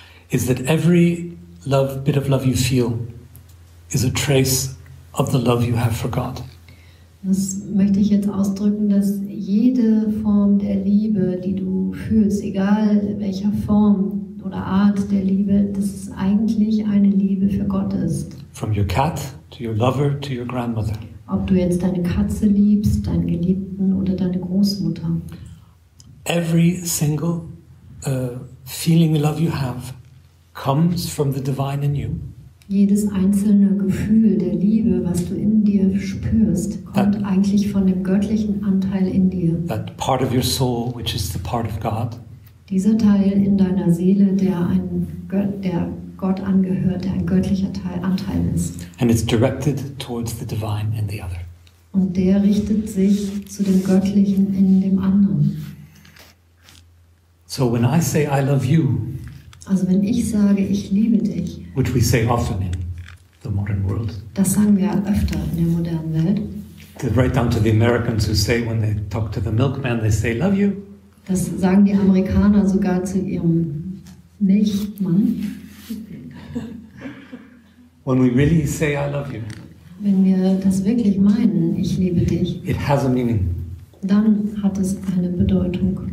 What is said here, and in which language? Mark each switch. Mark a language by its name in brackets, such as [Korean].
[English] Is that every love, bit of love you feel is a trace of the love you have for God. [German] Das möchte ich jetzt ausdrücken, dass jede Form der Liebe, die du fühlst, egal welcher Form oder Art der Liebe, das ist eigentlich eine Liebe für Gott ist. [English] From your cat to your lover to your grandmother. [German] Ob du jetzt deine Katze liebst, deinen Geliebten oder deine Großmutter. [English] Every single feeling love you have comes from the divine in you. [German] Jedes einzelne Gefühl der Liebe, was du in dir spürst, kommt eigentlich von dem göttlichen Anteil in dir. [English] That part of your soul, which is the part of God. [German] Dieser Teil in deiner Seele, der Gott angehört, der ein göttlicher Anteil ist. [English] And it's directed towards the divine in the other. [German] Und der richtet sich zu dem Göttlichen in dem anderen. [English] So when I say I love you, [German] also wenn ich sage, ich liebe dich, [English] which we say often in the modern world, [German] das sagen wir öfter in der modernen Welt, [English] right down to the Americans who say when they talk to the milkman, they say love you. [German] Das sagen die Amerikaner sogar zu ihrem Milchmann. [English] When we really say I love you, [German] wenn wir das wirklich meinen, ich liebe dich, [English] it has a meaning. [German] Dann hat es eine Bedeutung.